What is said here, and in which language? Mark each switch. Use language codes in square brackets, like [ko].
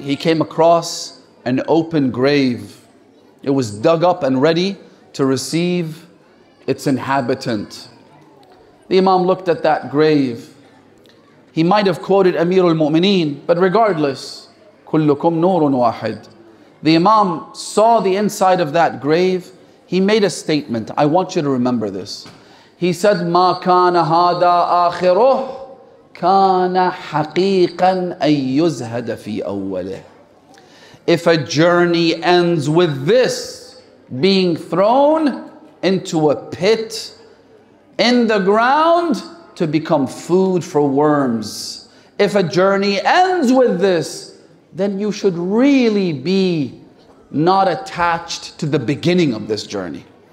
[en] He came across an open grave. It was dug up and ready to receive its inhabitant. The Imam looked at that grave. He might have quoted Amir al-Mu'mineen, but regardless, [ar] كُلُّكُمْ نُورٌ وَاحِدٌ. [en] The Imam saw the inside of that grave. He made a statement. I want you to remember this. He said, [ar] مَا كَانَ هَذَا آخِرُهُ كَانَ حَقِيقًا أَن يُزْهَدَ فِي أَوَّلِهِ. [en] If a journey ends with this being thrown into a pit in the ground to become food for worms. If a journey ends with this, then you should really be not attached to the beginning of this journey.